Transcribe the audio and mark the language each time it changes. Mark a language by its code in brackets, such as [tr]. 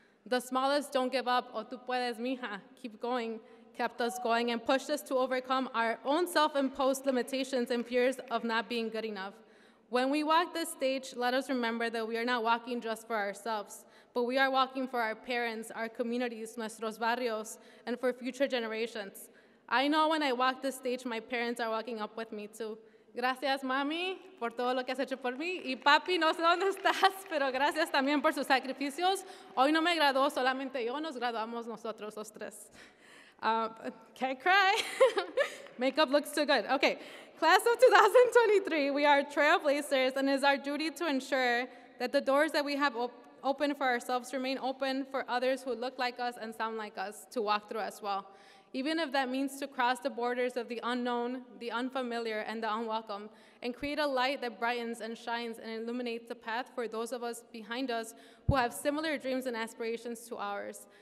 [en] The smallest don't give up, [es] o tú puedes, mija, [en] keep going, kept us going and pushed us to overcome our own self-imposed limitations and fears of not being good enough. When we walk this stage, let us remember that we are not walking just for ourselves, but we are walking for our parents, our communities, [es] nuestros barrios, [en] and for future generations. I know when I walk this stage, my parents are walking up with me too. [es] Gracias, mami, por todo lo que has hecho por mí. Y papi, no sé dónde estás, pero gracias también por sus sacrificios. Hoy no me graduó solamente yo, nos graduamos nosotros los tres. [en] Can't cry. Makeup looks too good. Okay, class of 2023, we are trailblazers, and it is our duty to ensure that the doors that we have opened for ourselves remain open for others who look like us and sound like us to walk through as well. Even if that means to cross the borders of the unknown, the unfamiliar, and the unwelcome, and create a light that brightens and shines and illuminates the path for those of us behind us who have similar dreams and aspirations to ours.